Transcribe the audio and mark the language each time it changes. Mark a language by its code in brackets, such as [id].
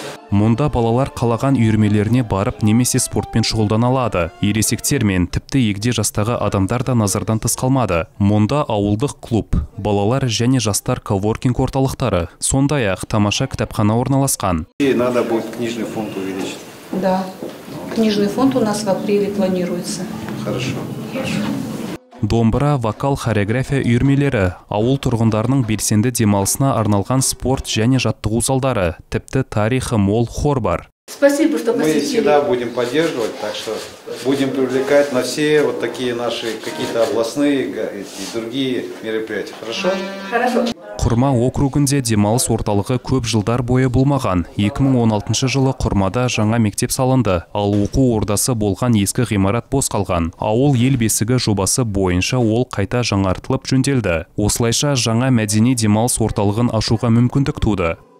[kk] Мұнда балалар қалаған үйірмелеріне барып, немесе спортпен шұғылдана алады. Ересектер мен тіпті егде жастағы адамдар да назардан тыс қалмады. Мұнда ауылдық клуб, балалар және жастар коворкинг орталықтары, сондай-ақ тамаша кітапхана орналасқан. [ru] Надо будет книжный фонд увеличить. Да. Книжный фонд у нас в апреле планируется. Хорошо. [kk] Домбыра, вокал, хореография үйірмелері, ауыл тұрғындарының белсенді демалысына арналған спорт және жаттығу залдары, тіпті тарихы мол хор бар. [ru] Спасибо, что посетили. Мы всегда будем поддерживать, так что будем привлекать на все вот такие наши какие-то областные и другие мероприятия. Хорошо? Хорошо. [kk] Құрма округінде демалыс орталығы көп жылдар бойы болмаған. 2016 жылы Құрмада жаңа мектеп салынды, ал оқу ордасы болған ескі ғимарат бос қалған. Ауыл ел бесігі жобасы бойынша ол қайта жаңартылып жөнделді. Осылайша жаңа мәдени демалыс орталығын ашуға мүмкіндік туды.